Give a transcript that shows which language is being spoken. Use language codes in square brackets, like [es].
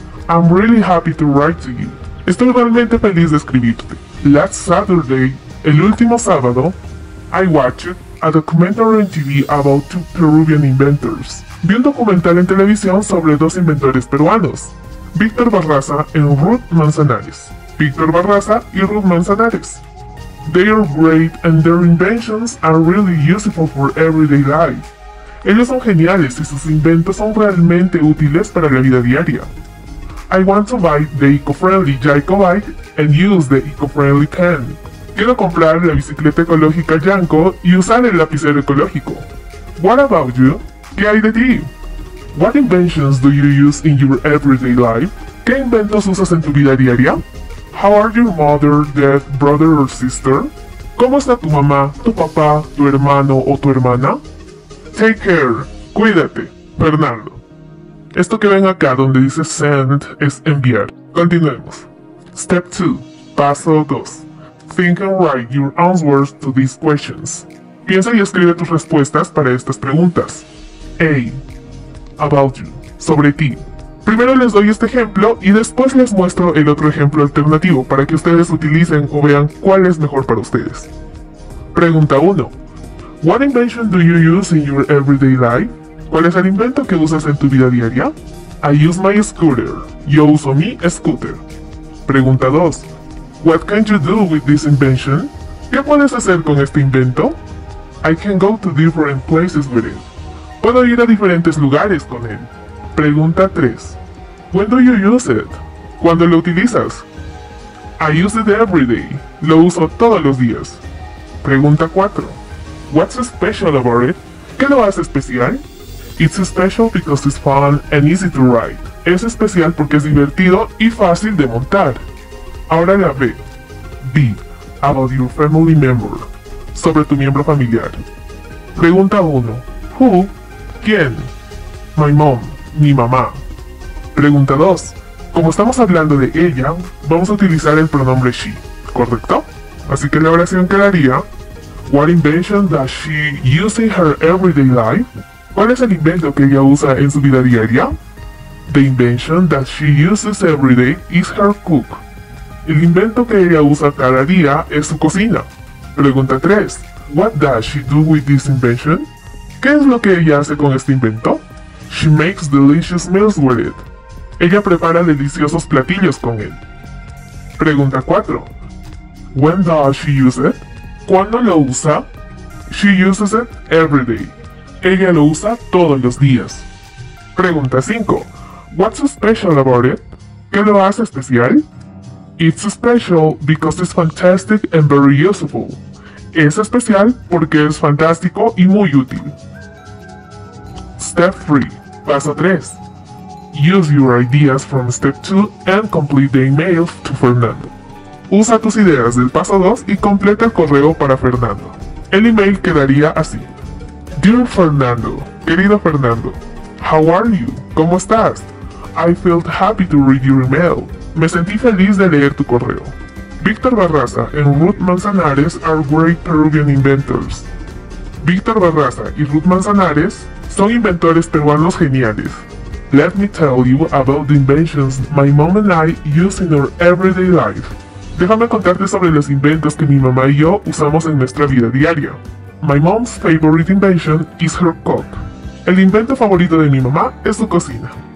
[en] I'm really happy to write to you. [es] Estoy realmente feliz de escribirte. [en] Last Saturday, [es] el último sábado, [en] I watched a documentary on TV about two Peruvian inventors. [es] Vi un documental en televisión sobre dos inventores peruanos, Víctor Barraza y Ruth Manzanares. Víctor Barraza y Ruth Manzanares. [en] They are great and their inventions are really useful for everyday life. [es] Ellos son geniales y sus inventos son realmente útiles para la vida diaria. [en] I want to buy the eco-friendly Jayco bike and use the eco-friendly pen. [es] Quiero comprar la bicicleta ecológica Jayco y usar el lapicero ecológico. [en] What about you? [es] ¿Qué hay de ti? [en] What inventions do you use in your everyday life? [es] ¿Qué inventos usas en tu vida diaria? [en] How are your mother, dad, brother or sister? [es] ¿Cómo está tu mamá, tu papá, tu hermano o tu hermana? [en] Take care. [es] Cuídate. Fernando. Esto que ven acá donde dice send es enviar. Continuemos. [en] Step 2. [es] Paso 2. [en] Think and write your answers to these questions. [es] Piensa y escribe tus respuestas para estas preguntas. A. [en] About you. [es] Sobre ti. Primero les doy este ejemplo y después les muestro el otro ejemplo alternativo para que ustedes utilicen o vean cuál es mejor para ustedes. Pregunta 1. [en] What invention do you use in your everyday life? [es] ¿Cuál es el invento que usas en tu vida diaria? [en] I use my scooter. [es] Yo uso mi scooter. Pregunta 2. [en] What can you do with this invention? [es] ¿Qué puedes hacer con este invento? [en] I can go to different places with it. [es] Puedo ir a diferentes lugares con él. Pregunta 3. [en] When do you use it? [es] ¿Cuándo lo utilizas? [en] I use it every day. [es] Lo uso todos los días. Pregunta 4. [en] What's special about it? [es] ¿Qué lo hace especial? [en] It's special because it's fun and easy to ride. [es] Es especial porque es divertido y fácil de montar. Ahora la B. [en] B. About your family member. [es] Sobre tu miembro familiar. Pregunta 1. Who? ¿Quién? [en] My mom. [es] Mi mamá. Pregunta 2. Como estamos hablando de ella, vamos a utilizar el pronombre she, ¿correcto? Así que la oración quedaría: [en] What invention does she use in her everyday life? [es] ¿Cuál es el invento que ella usa en su vida diaria? [en] The invention that she uses every day is her cook. [es] El invento que ella usa cada día es su cocina. Pregunta 3. [en] What does she do with this invention? [es] ¿Qué es lo que ella hace con este invento? [en] She makes delicious meals with it. [es] Ella prepara deliciosos platillos con él. Pregunta 4. [en] When does she use it? [es] ¿Cuándo lo usa? [en] She uses it every day. [es] Ella lo usa todos los días. Pregunta 5. [en] What's special about it? [es] ¿Qué lo hace especial? [en] It's special because it's fantastic and very useful. [es] Es especial porque es fantástico y muy útil. [en] Step 3. [es] Paso 3. [en] Use your ideas from step 2 and complete the email to Fernando. [es] Usa tus ideas del paso 2 y completa el correo para Fernando. El email quedaría así. [en] Dear Fernando, [es] querido Fernando, [en] how are you? [es] ¿Cómo estás? [en] I felt happy to read your email. [es] Me sentí feliz de leer tu correo. [en] Víctor Barraza and Ruth Manzanares are great Peruvian inventors. [es] Víctor Barraza y Ruth Manzanares son inventores peruanos geniales. [en] Let me tell you about the inventions my mom and I use in our everyday life. [es] Déjame contarte sobre los inventos que mi mamá y yo usamos en nuestra vida diaria. [en] My mom's favorite invention is her cook. [es] El invento favorito de mi mamá es su cocina.